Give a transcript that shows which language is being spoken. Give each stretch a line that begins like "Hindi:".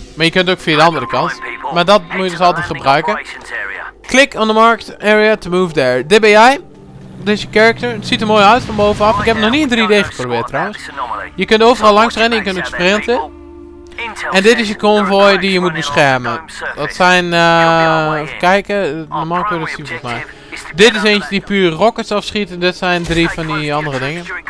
Dutch: Maar je kunt ook via de andere kant. Maar dat moet je dus altijd gebruiken.
English: Click on the marked area to move there.
Dutch: Dit ben jij. Dit is je character. Het ziet er mooi uit van bovenaf. Ik heb het nog niet in 3D geprobeerd trouwens. Je kunt overal langs rennen, je kunt ook sprinten. En dit is je convoy die je moet beschermen. Dat zijn, even kijken, normaal kun je dat zien volgens mij. Dit is eentje die puur rockets afschiet en dit zijn drie van die andere dingen.